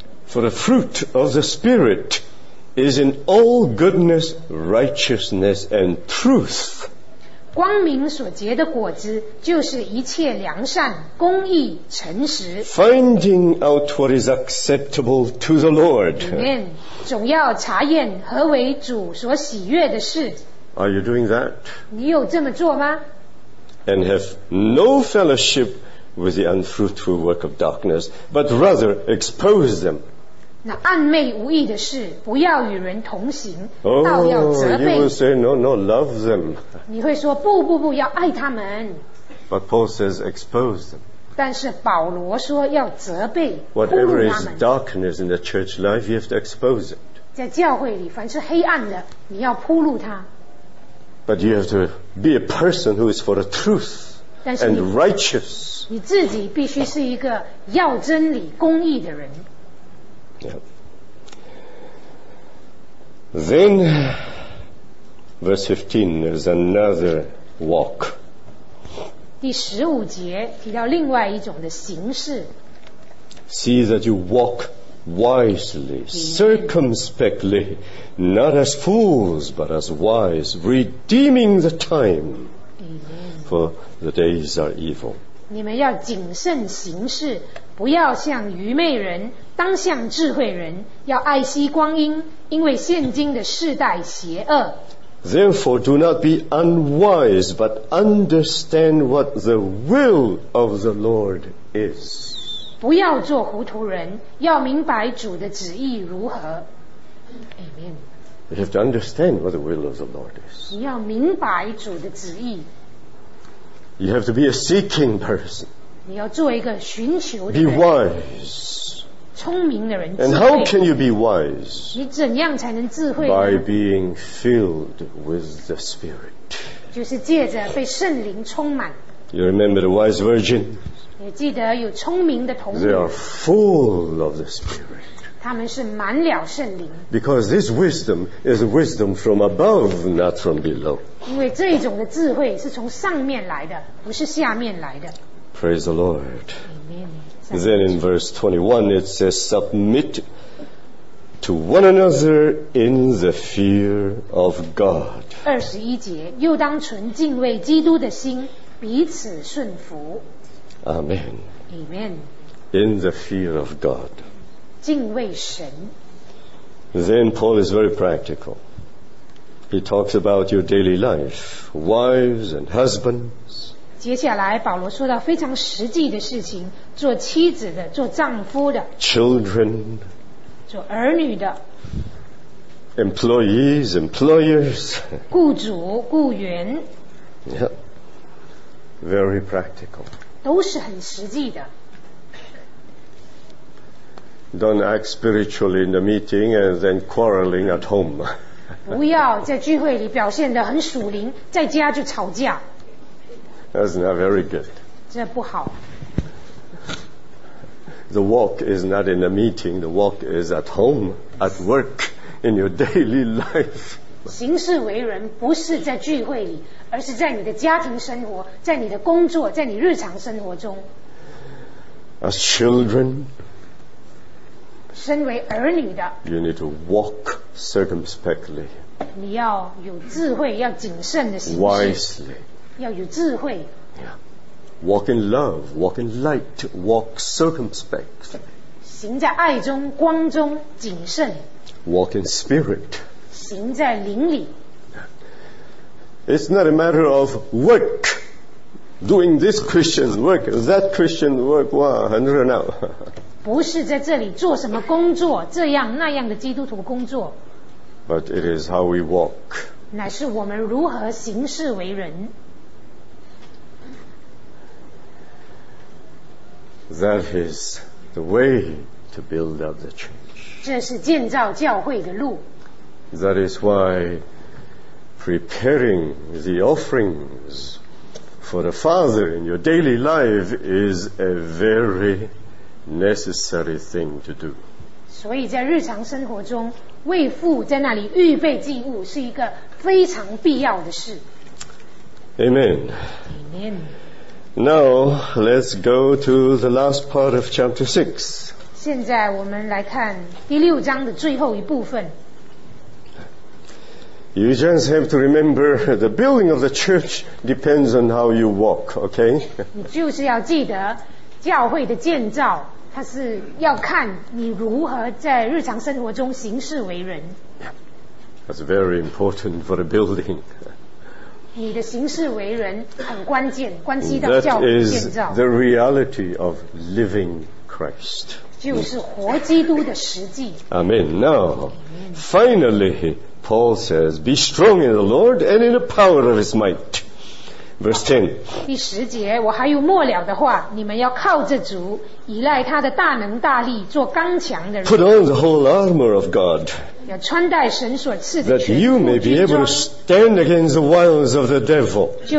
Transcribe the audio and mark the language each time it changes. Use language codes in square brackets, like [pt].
[en] For the fruit of the Spirit is in all goodness, righteousness, and truth. [zh] 光明所结的果子就是一切良善、公义、诚实。 [en] Finding out what is acceptable to the Lord. Amen. [zh] 总要查验何为主所喜悦的事。 [en] Are you doing that? [zh] 你有这么做吗？ [en] And have no fellowship with the unfruitful work of darkness, but rather expose them. [zh] 那暗昧无益的事不要与人同行，倒、 oh, 要责备。 [en] You will say, no, no, love them. [zh] 你会说不不不，要爱他们。 [en] But Paul says, expose them. [zh] 但是保罗说要责备。 [en] Whatever is darkness in the church life, you have to expose it. [zh] 在教会里凡是黑暗的，你要铺路它。 [en] But you have to be a person who is for the truth and righteous. [zh] 你自己必须是一个要真理公义的人。 [en] Then verse 15 is another walk. [zh] 第十五节提到另外一种的形式。 [en] See that you walk wisely, circumspectly, not as fools, but as wise, redeeming the time, for the days are evil. [zh] 你们要谨慎行事，不要像愚昧人，当像智慧人，要爱惜光阴，因为现今的世代邪恶。 [en] Therefore, do not be unwise, but understand what the will of the Lord is. [zh] 不要做糊涂人，要明白主的旨意如何。 [en] Amen. You have to understand what the will of the Lord is. [zh] 你要明白主的旨意。 [en] You have to be a seeking person. [zh] 你要做一个寻求的人。 [en] Be wise. [zh] 聪明的人。 [en] And how can you be wise? [zh] 你怎样才能智慧呢？ [en] By being filled with the Spirit. [zh] 就是借着被圣灵充满。 [en] You remember the wise virgin? [zh] 也记得有聪明的童女。 [en] They are full of the Spirit. [zh] 他们是满了圣灵。 [en] Because this wisdom is wisdom from above, not from below. [zh] 因为这种的智慧是从上面来的，不是下面来的。 [en] Praise the Lord. Amen. Then in verse 21, it says, "Submit to one another in the fear of God." [zh] 二十一节，又当存敬畏基督的心，彼此顺服。 [en] Amen. Amen. In the fear of God. [zh] 敬畏神。 [en] Then Paul is very practical. He talks about your daily life, wives and husbands. [zh] 接下来保罗说到非常实际的事情，做妻子的，做丈夫的。 [en] Children. [zh] 做儿女的。 [en] Employees, employers. [zh] 雇主，雇员。 [en] Yep. Very practical. [zh] 都是很实际的。 [en] Don't act spiritually in the meeting and then quarreling at home. [zh] 不要在聚会里表现得很属灵，在家就吵架。 [en] That's not very good. [zh] 这不好。 [en] The walk is not in the meeting, the walk is at home, at work, in your daily life. [zh] 行事为人不是在聚会里，而是在你的家庭生活，在你的工作，在你日常生活中。 [en] As children, [zh] 身为儿女的， [en] you need to walk circumspectly. [zh] 你要有智慧，要谨慎的行事。 [en] Wisely, [zh] 要有智慧。 [en] Yeah. Walk in love, walk in light, walk circumspectly. [zh] 行在爱中，光中，谨慎。 [en] Walk in spirit, [zh] 行在灵里。 [en] It's not a matter of work, doing this Christian's work, that Christian's work, wow, [zh] 很热闹。不是在这里做什么工作，这样那样的基督徒工作。 [en] But it is how we walk. [zh] 乃是我们如何行事为人。 [en] That is the way to build up the church. [zh] 这是建造教会的路。 [en] That is why preparing the offerings for the Father in your daily life is a very necessary thing to do. [zh] 所以在日常生活中，为父在那里预备祭物是一个非常必要的事。 [en] Amen. Amen. Now let's go to the last part of chapter 6. [zh] 现在我们来看第六章的最后一部分。 [en] You just have to remember the building of the church depends on how you walk, okay? [zh] 你就是要记得教会的建造，它是要看你如何在日常生活中行事为人。 [en] Yeah. That's very important for the building. [zh] 你的行事为人很关键，关系到教会建造。 [en] That is the reality of living Christ. [zh] 就是活基督的实际。 [en] Amen. Now, finally,Paul says, be strong in the Lord and in the power of his might. Verse 10. [zh] 第十节，我还有末了的话，你们要靠着主，依赖他的大能大力，做刚强的人。 [en] Put on the whole armor of God. that you may be able to stand against the wiles of the devil.